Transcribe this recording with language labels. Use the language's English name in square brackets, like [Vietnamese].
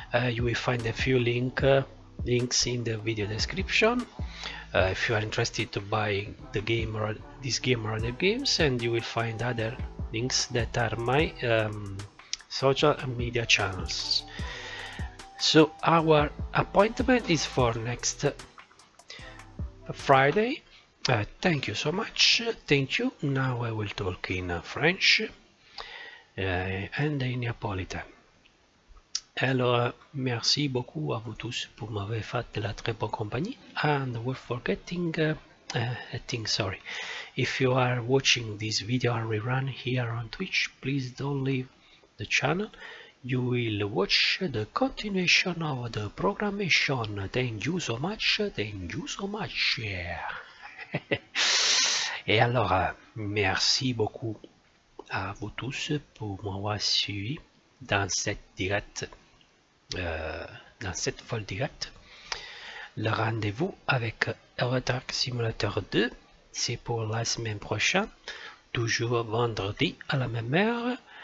[English] You will find a few links in the video description if you are interested to buy the game or this game or other games, and you will find other links that are my social media channels. So our appointment is for next Friday. Thank you so much. Thank you. Now I will talk in French and in Neapolitan. [French] Alors, merci beaucoup à vous tous pour m'avoir fait de la très bonne compagnie. [English] And we're forgetting a thing, sorry. If you are watching this video and rerun here on Twitch, please don't leave the channel. You will watch the continuation of the programmation. Thank you so much. Thank you so much. [French] Et alors, merci beaucoup à vous tous pour m'avoir suivi dans cette directe. Dans cette folle directe, le rendez-vous avec Euro Truck Simulator 2, c'est pour la semaine prochaine, toujours vendredi à la même heure.